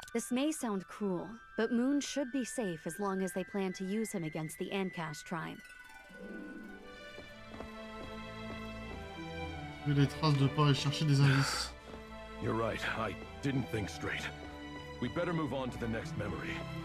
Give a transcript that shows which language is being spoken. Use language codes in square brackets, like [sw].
[en] This may sound cruel, but Moon should be safe as long as they plan to use him against the Ancash tribe. [fr] Trouver les traces de pas et chercher des indices. [en] You're right. I didn't think straight. We better move on to the next memory.